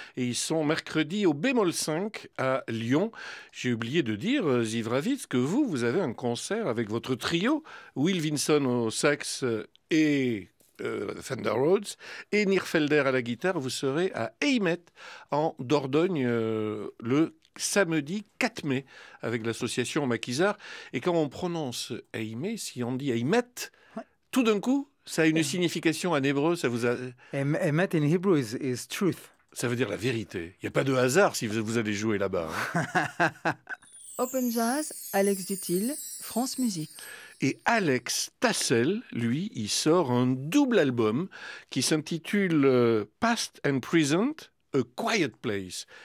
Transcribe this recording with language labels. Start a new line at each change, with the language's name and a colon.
French: Et ils sont mercredi au Bémol 5 à Lyon. J'ai oublié de dire, Zivravitz, que vous, vous avez un concert avec votre trio, Will Vinson au sax et Fender Rhodes, et Nierfelder à la guitare. Vous serez à Eymet en Dordogne le samedi 4 mai avec l'association Maquisard. Et quand on prononce Eymet, si on dit Eymet, ouais, tout d'un coup, ça a une signification en hébreu. Ça vous a...
English: Eymet in Hebrew is truth.
French: Ça veut dire la vérité. Il n'y a pas de hasard si vous allez jouer là-bas. Open Jazz, Alex Dutille, France Musique. Et Alex Tassel, lui, il sort un double album qui s'intitule Past and Present, A Quiet Place.